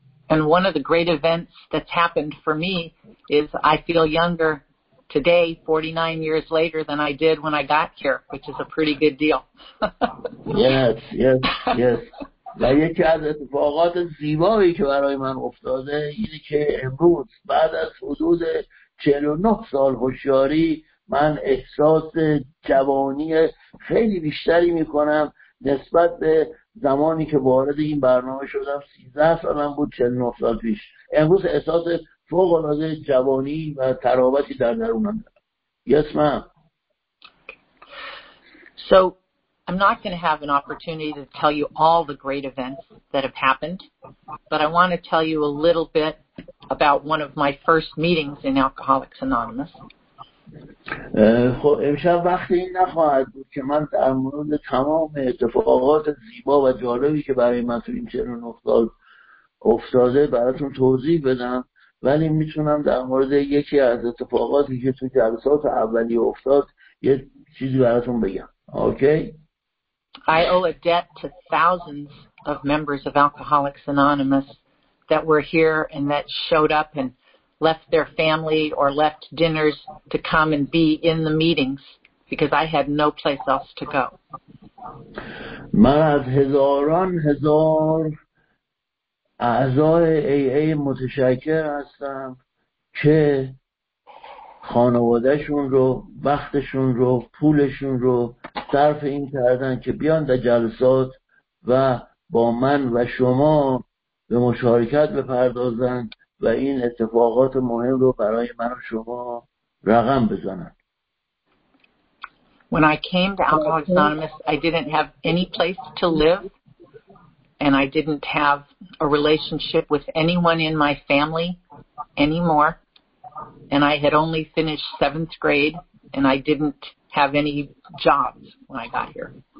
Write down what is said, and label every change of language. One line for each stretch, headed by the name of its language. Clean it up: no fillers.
English: And one of the great events that's happened for me is I feel younger today, 49 years later, than I did when I got here, which is a pretty good deal. yes.
Persian: و یکی از اتفاقات زیبایی که برای من افتاده اینه که امروز بعد از حدود 49 سال هوشیاری من احساس جوانی خیلی بیشتری میکنم نسبت به زمانی که وارد این برنامه شدم 13 سالم بود 49 سال پیش امروز احساس فوق العاده جوانی و طراوتی در درونم دارم.
English: Yes, ma'am. So I'm not going to have an opportunity to tell you all the great events that have happened, but I want to tell you a little bit about one of my first meetings in Alcoholics Anonymous.
Persian: خب امشب وقتی این نخواهد بود که من در مورد تمام اتفاقات زیبا و جالبی که برای من تو این 49 سال افتاده براتون توضیح بدم، ولی میتونم در مورد یکی از اتفاقاتی که تو جلسات اولی افتاد یه چیزی براتون بگم. اوکی؟
English: I owe a debt to thousands of members of Alcoholics Anonymous that were here and that showed up and left their family or left dinners to come and be in the meetings because I had no place else to go.
Persian: من از هزاران هزار اعضای AA متشکر هستم که خانوادهشون رو، وقتشون رو، پولشون رو صرف این کردن که بیان در جلسات و با من و شما به مشارکت بپردازن و این اتفاقات مهم رو برای من و شما رقم بزنن.
English: When I came to Alcoholics Anonymous, I didn't have any place to live and I didn't have a relationship with anyone in my family anymore. And I had only finished 7th grade and I didn't have any jobs when I got here.